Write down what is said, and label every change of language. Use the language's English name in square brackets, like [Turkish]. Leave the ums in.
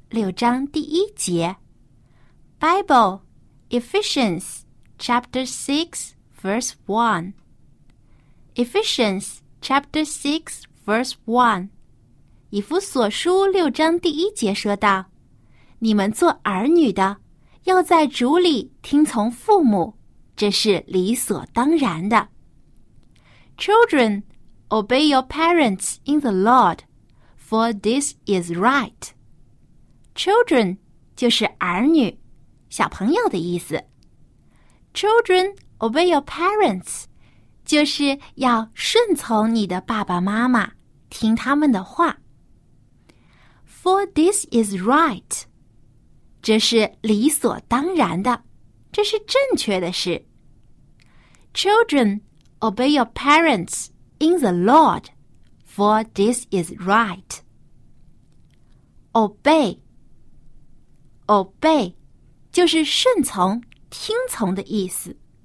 [Chinese] 六章第一节， [English] Bible Ephesians chapter six verse one. Ephesians chapter six verse one. [Chinese] 以弗所书六章第一节说道：“你们做儿女的，要在主里听从父母，这是理所当然的。 [English] ” Children, obey your parents in the Lord, for this is right. [Chinese] Children 就是儿女、小朋友的意思。 [English] Children obey your parents， [Chinese] 就是要顺从你的爸爸妈妈，听他们的话。 [English] For this is right， [Chinese] 这是理所当然的，这是正确的事。 [English] Children obey your parents in the Lord，for this is right. Obey. [Chinese] obey 就是顺从、听从的意思。